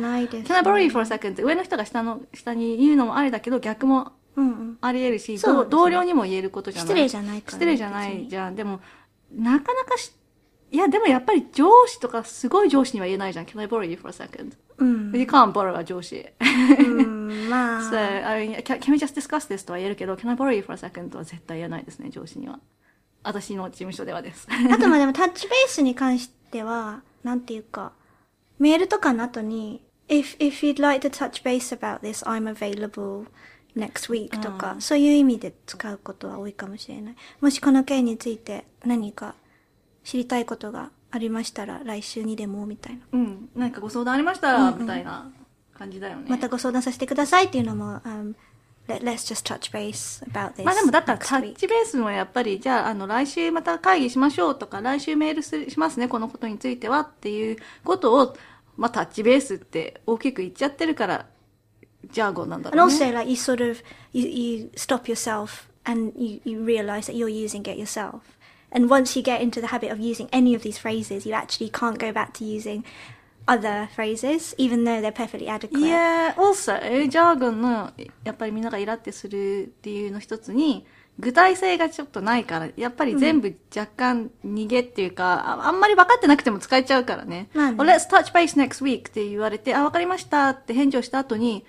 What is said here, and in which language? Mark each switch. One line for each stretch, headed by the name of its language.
English: Can I borrow you for a second?
Japanese: 上の人が下に言うのもあれだけど、逆もあり得るし、うんうん、同僚にも言えることじゃない。失礼じゃないから、ね。失礼じゃないじゃん。でも、なかなかいや、でもやっぱり上司とかすごい上司には言えないじゃん。
English: Can I borrow you for a second?
Japanese: うん。
English: You can't borrow a 上司。
Japanese: うん、まあ。
English: So, I mean, can we just discuss this?
Japanese: とは言えるけど、
English: Can I borrow you for a second?
Japanese: とは絶対言えないですね、上司には。私の事務所ではです。あとまあでもタッチベースに関しては、なんていうか、メールとかの後に、
English: If you'd like to touch base about this, I'm available next week
Japanese: とか、そういう意味で使うことは多いかもしれない。もしこの件について何か、知りたいことがありましたら来週にでもみたいな、うん、何かご相談ありましたら、うんうん、みたいな感じだよね。またご相談させてくださいっていうのも、
English: Let's just touch base about this。
Japanese: まあでもだったらタッチベースもやっぱり、じゃあ来週また会議しましょうとか、来週メールしますね、このことについてはっていうことを、まあタッチベースって大きく言っちゃってるからジャーゴンなんだろうね。
English: And also like you sort of you stop yourself and you realize that you're using it yourselfAnd once you get into the habit of using any of these phrases, you actually can't go back to using other phrases, even though they're perfectly adequate. Yeah, also,
Japanese: ジャーゴンのやっぱりみんながイラってする理由の一つに、具体性がちょっとないから、やっぱり全部若干逃げっていうか、あんまり分かってなくても使えちゃうからね。まあね。
English: Well, let's touch base next week
Japanese: って言われて、あ、分かりましたって返事をした後に、